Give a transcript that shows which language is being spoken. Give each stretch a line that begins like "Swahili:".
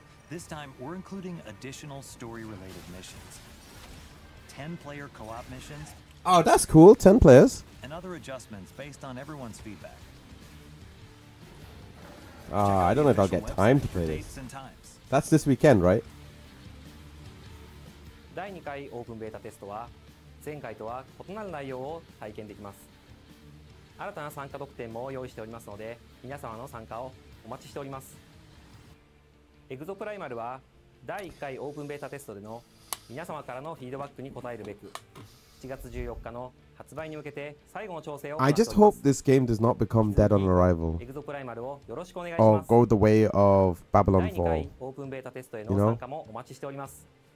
English: This time, we're including additional story-related missions. 10-player co-op missions. Oh, that's cool. 10 players. And other adjustments based on everyone's feedback. I don't know if I'll get time to play this. That's this weekend, right?
Japanese: 第2回 オープン ベータ テストは前回とは異なる内容を体験できます。新たな参加特典も用意しておりますので、皆様の参加をお待ちしております。エグゾプライマルは第1回 オープン ベータ テストでの皆様からのフィードバックに応えるべく、7月14日の発売に向けて最後の調整を。
English: I just hope this game does not become dead on arrival.
Japanese: エグゾプライマルをよろしくお願いします。
English: Or go the way of Babylon Fall.
Japanese: 第2回 オープン ベータ テストへの参加もお待ちしております。